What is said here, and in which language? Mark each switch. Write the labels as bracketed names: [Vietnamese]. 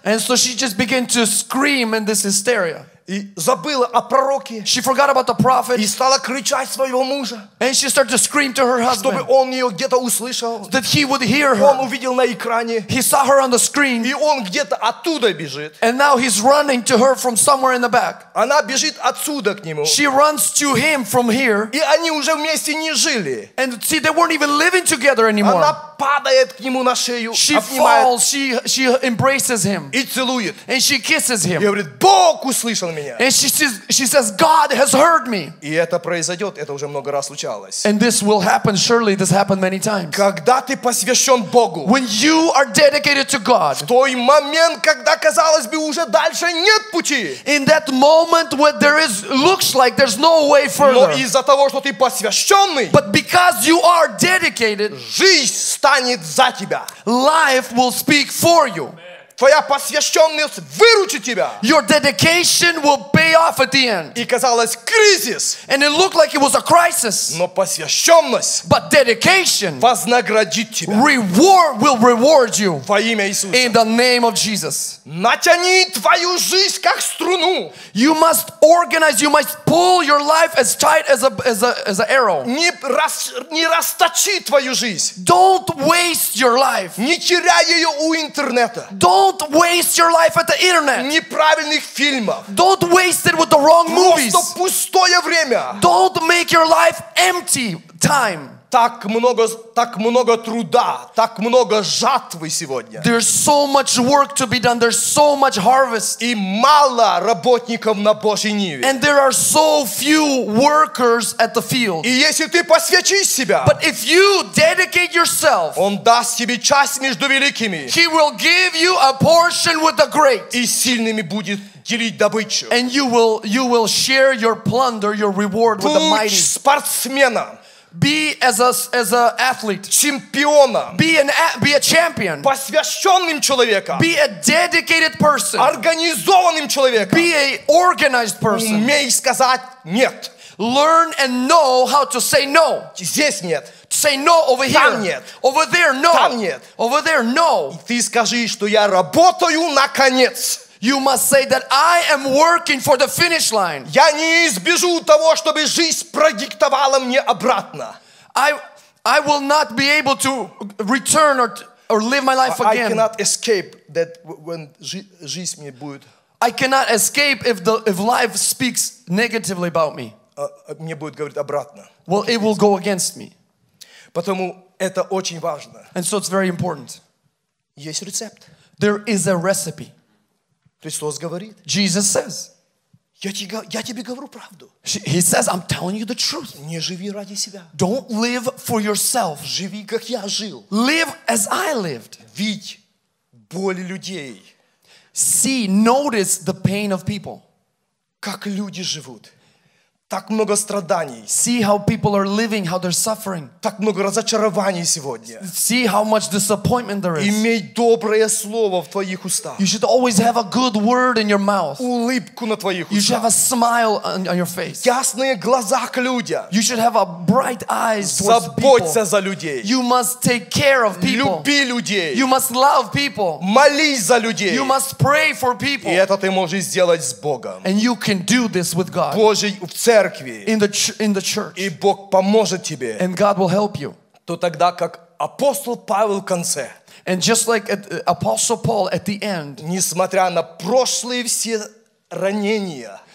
[English] And so she just began to scream in this hysteria. [Russian] И забыла о пророке. [English] She forgot about the prophet. [Russian] И стала кричать своего мужа. [English] And she started to scream to her husband. [Russian] Чтобы он ее где-то услышал. [English] That he would hear her. [Russian] Он увидел на экране. [English] He saw her on the screen. [Russian] И он где-то оттуда бежит. [English] And now he's running to her from somewhere in the back. [Russian] Она бежит отсюда к нему. [English] She runs to him from here. [Russian] И они уже вместе не жили. [English] And see, they weren't even living together anymore. [Russian] Она падает к нему на шею, [English] she [Russian] обнимает. [English] Falls. She embraces him. [Russian] И целует. [English] And she kisses him. [Russian] И говорит, Бог услышал. [English] And she says, God has heard me. [Russian] И это произойдет, это уже много раз случалось. [English] And this will happen, surely this happened many times. [Russian] Когда ты посвящен Богу. [English] When you are dedicated to God. [Russian] В той момент, когда казалось бы уже дальше нет пути. [English] In that moment when there is looks like there's no way further. [Russian] Но из-за того, что ты посвященный. [English] But because you are dedicated. [Russian] Жизнь станет за тебя. [English] Life will speak for you. [Russian] Твоя посвященность выручит тебя. [English] Your dedication will pay off at the end. [Russian] И казалось, кризис. [English] And it looked like it was a crisis. [Russian] Но посвященность. [English] But dedication. [Russian] Вознаградит тебя. [English] Reward will reward you. [Russian] Во имя Иисуса. [English] In the name of Jesus. [Russian] Натяни твою жизнь как струну. [English] You must organize. You must pull your life as tight as an arrow. [Russian] Не расточи твою жизнь. [English] Don't waste your life. [Russian] Не теряй ее у интернета. [English] Don't Don't waste your life at the internet. [Russian] Неправильных фильмов. [English] Don't waste it with the wrong movies. [Russian] Просто пустое время. [English] Don't make your life empty time. [Russian] Так много труда, так много жатвы сегодня. [English] There's so much work to be done. There's so much harvest. [Russian] И мало работников на Божьей ниве. [English] And there are so few workers at the field. [Russian] И если ты посвятишь себя, [English] but if you dedicate yourself, [Russian] он даст тебе часть между великими. [English] He will give you a portion with the great. [Russian] И сильными будет делить добычу. [English] And you will share your plunder, your reward with the mighty. [Russian] Будь спортсменом. [English] Be as a athlete. [Russian] Чемпиона. [English] Be a champion. [Russian] Посвященным человеком. [English] Be a dedicated person. [Russian] Организованным человеком. [English] Be a organized person. [Russian] Умей сказать нет. [English] Learn and know how to say no. [Russian] Здесь нет. [English] Say no over here. [Russian] Там нет. [English] Over there no. [Russian] Там нет. [English] Over there no. [Russian] И ты скажи, что я работаю наконец. [English] You must say that I am working for the finish line. [Russian] Я не избежу того, чтобы жизнь продиктовала мне обратно. [English] I will not be able to return or live my life again. I cannot escape that when [Russian] жизнь мне будет. [English] I cannot escape if life speaks negatively about me. [Russian] Мне будет говорить обратно. [English] Well, it will go against me. [Russian] Потому это очень важно. [English] And so it's very important. [Russian] Есть рецепт. [English] There is a recipe. [Russian] Христос говорит. [English] Jesus says. [Russian] Я тебе говорю правду. [English] He says, I'm telling you the truth. [Russian] Не живи ради себя. [English] Don't live for yourself. [Russian] Живи, как я жил. [English] Live as I lived. [Russian] Видь боль людей. [English] See, notice the pain of people. [Russian] Как люди живут. Так много страданий. [English] See how people are living, how they're suffering. [Russian] Так много разочарований сегодня. [English] See how much disappointment there is. [Russian] Имей доброе слово в твоих устах. [English] You should always have a good word in your mouth. [Russian] Улыбку на твоих устах. [English] You should have a smile on your face. [Russian] Ясные глаза к людям. [English] You should have a bright eyes towards people. [Russian] Заботься за людей. [English] You must take care of people. [Russian] Люби людей. [English] You must love people. [Russian] Молись за людей. [English] You must pray for people. [Russian] И это ты можешь сделать с Богом. [English] And you can do this with God. In the church. [Russian] И Бог поможет тебе. [English] And God will help you. [Russian] То тогда, как апостол Павел в конце. [English] And just like Apostle Paul at the end. [Russian] Несмотря на прошлые все ранения.